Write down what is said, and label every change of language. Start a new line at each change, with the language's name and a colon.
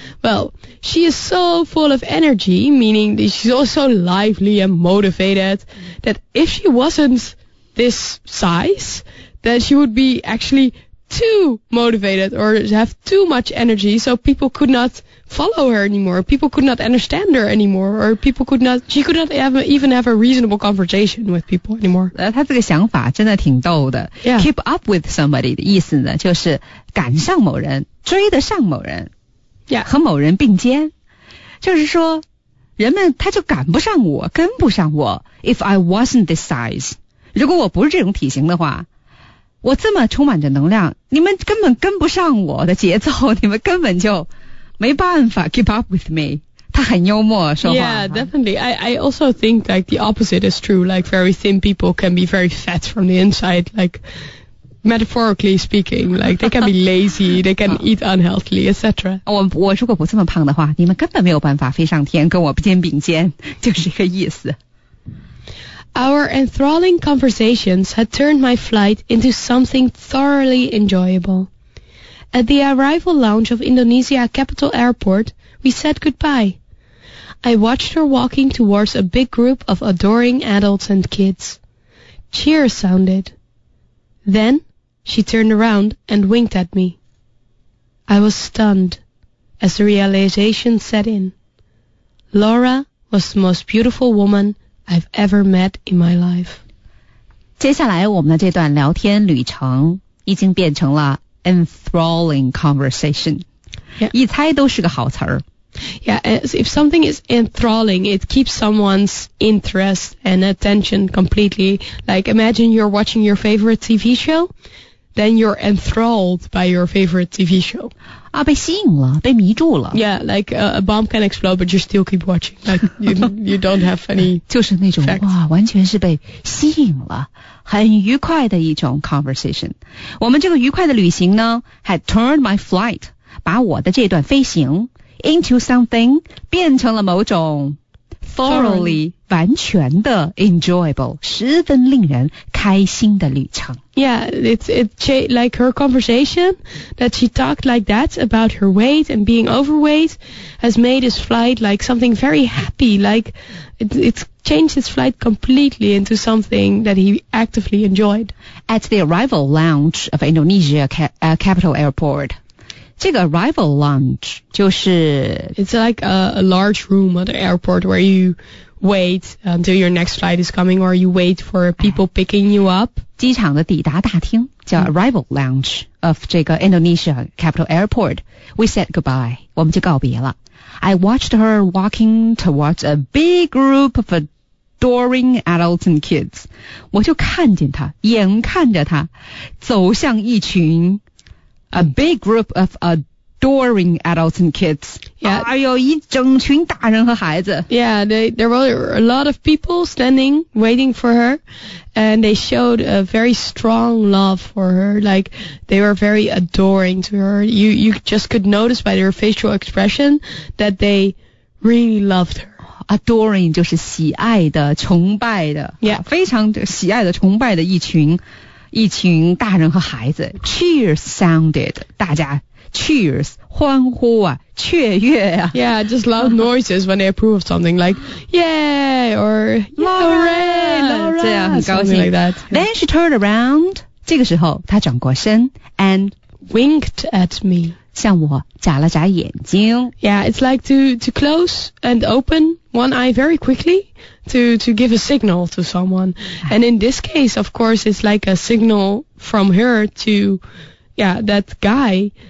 English: Well, she is so full of energy, meaning that she's also lively and motivated, that if she wasn't this size, then she would be actually too motivated or have too much energy, so people could not follow her anymore, people could not understand her anymore, or people could not, she could not even have a reasonable conversation with people anymore.
Chinese: 他这个想法真的挺逗的。
English: Yeah. Keep up with somebody
Chinese: 的意思呢，就是赶上某人，追得上某人。
English: Yeah.
Chinese: 和某人并肩。就是说，人们他就赶不上我，跟不上我。
English: If I wasn't this size,
Chinese: 如果我不是这种体型的话，我这么充满着能量，你们根本跟不上我的节奏，你们根本就没办法
English: keep up with me.
Chinese: 他很幽默说话。
English: Yeah, definitely. I also think like the opposite is true. Like very thin people can be very fat from the inside. Like metaphorically speaking, like they can be lazy, they can eat unhealthily, etc.
Chinese: 我如果不这么胖的话，你们根本没有办法飞上天，跟我肩并肩，就是这个意思。
English: Our enthralling conversations had turned my flight into something thoroughly enjoyable. At the arrival lounge of Indonesia Capital Airport, we said goodbye. I watched her walking towards a big group of adoring adults and kids. Cheers sounded. Then, she turned around and winked at me. I was stunned as the realization set in. Laura was the most beautiful woman I've ever met in my life.
Chinese: 接下来我们的这段聊天旅程已经变成了
English: enthralling conversation. Yeah.
Chinese: 一猜都是个好词儿。
English: Yeah, if something is enthralling, it keeps someone's interest and attention completely. Like, imagine you're watching your favorite TV show, then you're enthralled by your favorite TV show.
Chinese: 啊，被吸引了，被迷住了。
English: Yeah, like a bomb can explode, but you still keep watching. Like, you don't have any
Chinese: 就是那种，哇，完全是被吸引了。很愉快的一种 conversation. 我们这个愉快的旅行呢
English: had turned my flight,
Chinese: 把我的这段飞行
English: into something,
Chinese: 变成了某种 thoroughly, 完全的
English: enjoyable,
Chinese: 十分令人开心的旅程。
English: Yeah, it's like her conversation that she talked like that about her weight and being overweight has made his flight like something very happy, like it's changed his flight completely into something that he actively enjoyed. At the arrival lounge of Indonesia Capital Airport,
Chinese: 这个 arrival lounge 就是
English: It's like a large room at the airport where you wait until your next flight is coming or you wait for people picking you up.
Chinese: 机场的抵达大厅叫 arrival lounge of 这个 Indonesia Capital Airport.
English: We said goodbye.
Chinese: 我们就告别了。
English: I watched her walking towards a big group of adoring adults and kids.
Chinese: 我就看见她，眼看着她走向一群
English: A big group of adoring adults and kids. Yeah.
Chinese: 哎呦，一整群大人和孩子。
English: Yeah, there were a lot of people standing, waiting for her, and they showed a very strong love for her. Like, they were very adoring to her. You just could notice by their facial expression that they really loved her.
Chinese: Adoring 就是喜爱的，崇拜的。
English: Yeah.
Chinese: 非常喜爱的，崇拜的一群大人和孩子
English: cheers sounded
Chinese: 大家 cheers 欢呼啊雀跃啊
English: yeah just loud noises when they approve of something like yay or
Chinese: Laura 这样很高兴
English: like that, then she turned around
Chinese: 这个时候她转过身
English: and winked at me
Chinese: 向我眨了眨眼睛
English: yeah it's like to close and open one eye very quicklyto give a signal to someone. And in this case, of course, it's like a signal from her to, yeah, that guy.